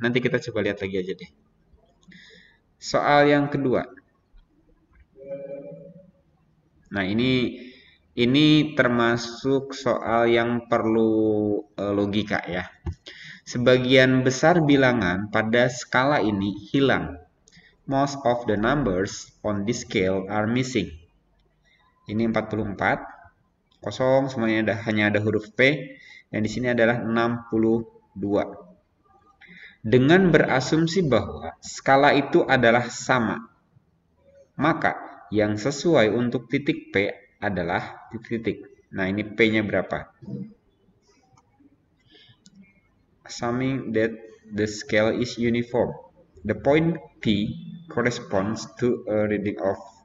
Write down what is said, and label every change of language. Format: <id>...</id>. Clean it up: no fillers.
<id>Nanti kita coba lihat lagi aja deh. Soal yang kedua. Nah, ini termasuk soal yang perlu logika ya. Sebagian besar bilangan pada skala ini hilang.</id> <en>Most of the numbers on this scale are missing.</en> <id>Ini 44. Kosong, semuanya ada, hanya ada huruf P. Dan di sini adalah 62. Dengan berasumsi bahwa skala itu adalah sama, maka yang sesuai untuk titik P adalah titik-titik. Nah, ini P-nya berapa?</id> <en>Assuming that the scale is uniform, the point P corresponds to a reading of.</en>